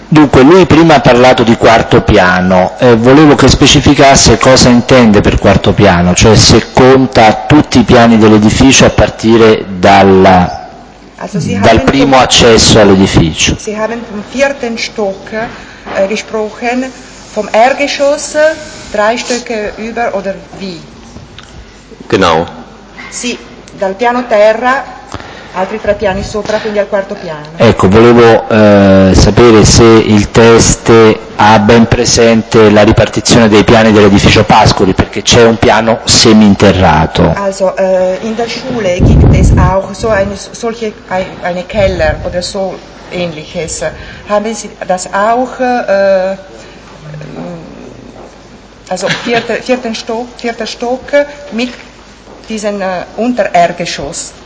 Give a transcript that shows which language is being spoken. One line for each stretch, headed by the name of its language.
Italian: Dunque, lui prima ha parlato di quarto piano, volevo che specificasse cosa intende per quarto piano, cioè se conta tutti i piani dell'edificio a partire dal primo accesso all'edificio.
German: Sie haben vom vierten Stock gesprochen, vom Erdgeschoss, drei Stöcke über oder wie? Genau.
Italian: Sì, dal piano terra, altri tre piani sopra, quindi al quarto piano. Ecco, volevo sapere se il test ha ben presente la ripartizione dei piani dell'edificio Pascoli, perché c'è un piano seminterrato.
German: Also, in der Schule gibt es auch so eine Keller oder so ähnliches. Haben Sie das auch, also vierter Stock mit diesem Untererdgeschoss?